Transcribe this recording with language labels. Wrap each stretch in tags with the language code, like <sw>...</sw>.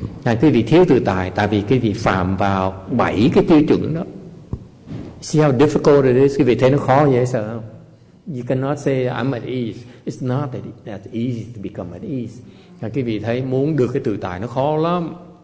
<vi>Tại cái vị thiếu tự tại, tại vì cái vị phạm vào bảy cái tiêu chuẩn đó.</vi> <en>See how difficult it is?</en> <vi>Cái vị thấy nó khó vậy sao?</vi> <en>You cannot say I'm at ease. It's not that easy to become at ease.</en> <vi>Là quý vị thấy muốn được cái tự tại nó khó lắm.</vi>